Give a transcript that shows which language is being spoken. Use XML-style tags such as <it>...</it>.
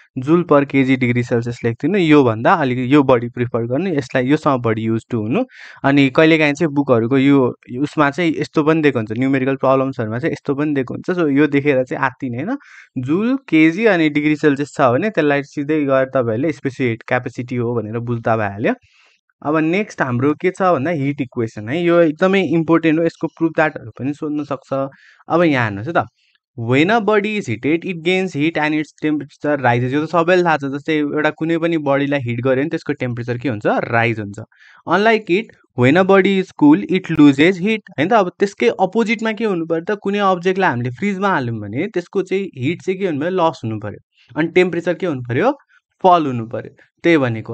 <ne>जुल पर KG degree Celsius लेख्दिनु, योभन्दा अलिक यो बढी प्रिफर गर्नु, यसलाई योसँग बढी युज टु हुनु. अनि कहिलेकाहीँ चाहिँ बुकहरूको यो उसमा चाहिँ यस्तो पनि दिएको हुन्छ, न्युमेरिकल प्रब्लम्सहरूमा चाहिँ यस्तो पनि दिएको हुन्छ. सो यो देखेर चाहिँ आत्तिने होइन, जुल केजी अनि डिग्री सेल्सियस छ भने त्यसलाई सिधै गएर तपाईँहरूले स्पेसिफिक हिट क्यापेसिटी हो भनेर बुझ्दा भइहाल्यो. अब नेक्स्ट हाम्रो के छ भन्दा, हिट इक्वेसन है. यो एकदमै इम्पोर्टेन्ट हो, यसको प्रुफ दाटहरू पनि सोध्न सक्छ. अब यहाँ हेर्नुहोस् है त,</ne> <en>When a body is heated it gains heat and its temperature rises.</en> <ne>यो त सबैले थाहा छ, जस्तै एउटा कुनै पनि बडीलाई हिट गऱ्यो भने त्यसको टेम्परेचर के हुन्छ, राइज हुन्छ.</ne> <en>unlike it, when a body is cool it loses heat</en> <ne>होइन त. अब त्यसकै अपोजिटमा के हुनु पर्यो त, कुनै अब्जेक्टलाई हामीले फ्रिजमा हाल्यौँ भने त्यसको चाहिँ हिट चाहिँ के हुनु पऱ्यो, लस हुनु पऱ्यो, अनि टेम्परेचर के हुनु पऱ्यो, फल हुनु पऱ्यो. त्यही भनेको.</ne>